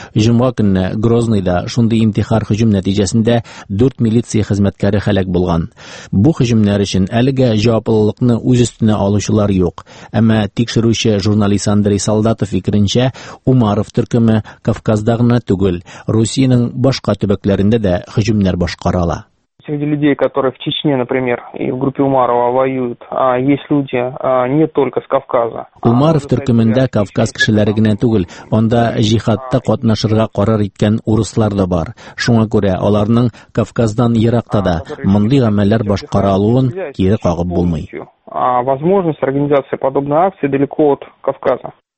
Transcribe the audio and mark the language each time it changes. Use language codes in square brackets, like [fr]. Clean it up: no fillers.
[tt] Җомга көнне Грозныйда шундый интихар һөҗүм нәтиҗәсендә 4 милиция хезмәткәре һәлак булган. Бу һөҗүмнәр өчен әлегә җаваплылыкны үз өстенә алучылар юк. Әмма тикшерүче журналист Андрей Солдатов фикеренчә, Умаров төркеме Кавказда гына түгел, Русияның башка төбәкләрендә дә һөҗүмнәр башкарала. [ru] Среди людей, которые в Чечне, например, и в группе Умарова воюют, а есть люди не только с Кавказа. [tt] Умаров төркемендә Кавказ кешеләре генә түгел, анда җихадта катнашырга карар иткән урыслар да бар. Шуңа күрә аларның Кавказдан еракта да мондый гамәлләр башкаралуын кире кагып булмый. [ru] А возможность организации подобной акции далеко от Кавказа.